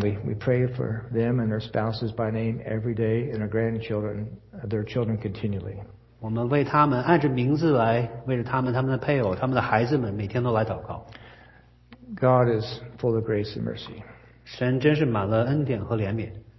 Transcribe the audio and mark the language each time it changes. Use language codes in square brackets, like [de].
[en] We pray for them and their spouses by name every day and our grandchildren, their children continually. [zh] 我们为他们按着名字来，为着他们、他们的配偶、他们的孩子们，每天都来祷告。 [en] God is full of grace and mercy. [zh] 神真是满了恩典和怜悯。